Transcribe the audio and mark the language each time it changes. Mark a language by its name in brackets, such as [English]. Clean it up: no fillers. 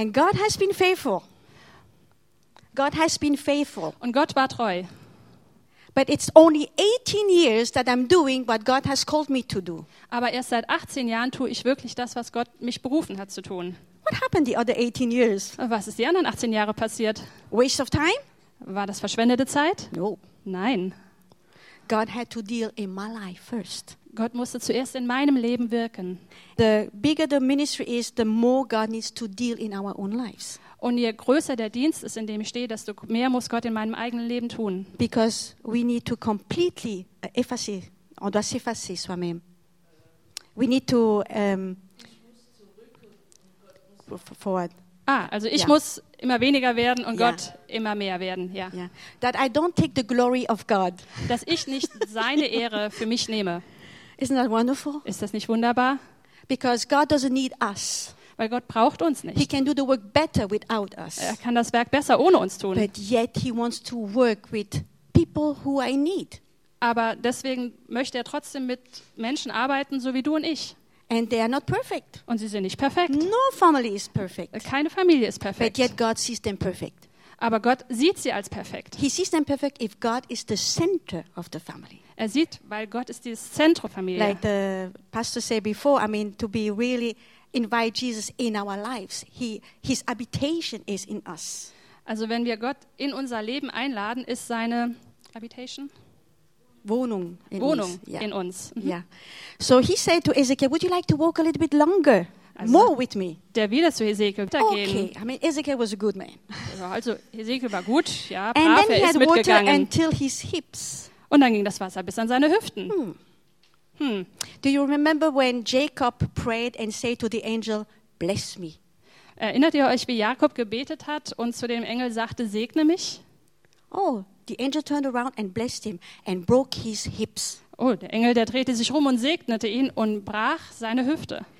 [English] And God has been faithful. God has been faithful. [German] Und Gott war treu. [English] But it's only 18 years that I'm doing what God has called me to do. [German] Aber erst seit 18 Jahren tue ich wirklich das, was Gott mich berufen hat zu tun. [English] What happened the other 18 years? [German] Was ist die anderen 18 Jahre passiert? [English] Waste of time? [German] War das verschwendete Zeit? [English] No. [German] Nein. [English] God had to deal in my life first. [German] Gott musste zuerst in meinem Leben wirken. [English] The bigger the ministry is, the more God needs to deal in our own lives. [German] Und je größer der Dienst ist, in dem ich stehe, desto mehr muss Gott in meinem eigenen Leben tun. [English] Because we need to completely [French] effacer, on doit s'effacer soi-même. [English] We need to forward. [German] Ah, also ich muss immer weniger werden und Gott immer mehr werden. Ja. [English] That I don't take the glory of God. [German] Dass ich nicht seine Ehre für mich nehme. [English] Isn't that wonderful? [German] Ist das nicht wunderbar? [English] Because God doesn't need us. [German] Weil Gott braucht uns nicht. [English] He can do the work better without us. [German] Er kann das Werk besser ohne uns tun. [English] But yet he wants to work with people who I need. [German] Aber deswegen möchte er trotzdem mit Menschen arbeiten, so wie du und ich. [English] And they are not perfect. [German] Und sie sind nicht perfekt. [English] No family is perfect. [German] Keine Familie ist perfekt. [English] But yet God sees them perfect. [German] Aber Gott sieht sie als perfekt. [English] He sees them perfect if God is the center of the family. [German] Er sieht, weil Gott ist die Zentrumfamilie. [English] Like the pastor said before, I mean, to be really invite Jesus in our lives. His habitation is in us. [German] Also wenn wir Gott in unser Leben einladen, ist seine habitation? Wohnung in Wohnung uns. Yeah. In uns. [English] Mhm. Yeah. So he said to Ezekiel, would you like to walk a little bit longer? Also more with me. [German] Der wieder zu Ezekiel weitergehen. [English] Okay, I mean Ezekiel was a good man. [German] Also Ezekiel war gut, ja, brav, [English] and then [German] er ist mitgegangen. [English] Water until his hips. [German] Und dann ging das Wasser bis an seine Hüften. [English] Do you remember when Jacob prayed and said to the angel, bless me? [German] Erinnert ihr euch, wie Jakob gebetet hat und zu dem Engel sagte, segne mich? [English] Oh, the angel turned around and blessed him and broke his hips. [German] Oh, der Engel, der drehte sich rum und segnete ihn und brach seine Hüfte.